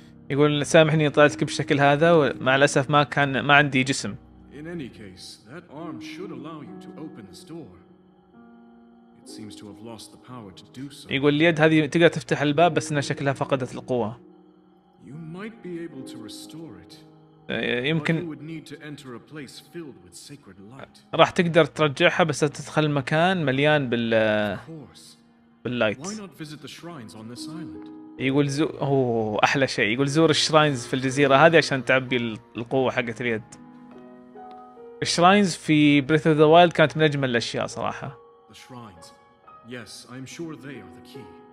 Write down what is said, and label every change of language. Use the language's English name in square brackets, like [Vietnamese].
[Arabic] يقول سامحني طلعتك بشكل هذا ومع الأسف ما كان ما عندي جسم. [English] In any case, that arm should allow you to open this door. It seems to have lost the power to do so. [Arabic] يقول اليد هذه تقدر تفتح الباب بس إن شكلها فقدت القوة. [English] You might be able to restore it. [Arabic] يمكن [English] you would need to enter a place filled with sacred light. [Arabic] راح تقدر ترجعها بس تدخل مكان مليان بال باللايت. [English] Why not visit the shrines on this island? [Arabic] يقول أحلى شيء يقول زور الشراينز في الجزيرة هذه عشان تعبي القوة حقت اليد. الشراينز في Breath of the Wild كانت من أجمل الأشياء صراحة. [English] The shrines. Yes, I'm sure they are the key.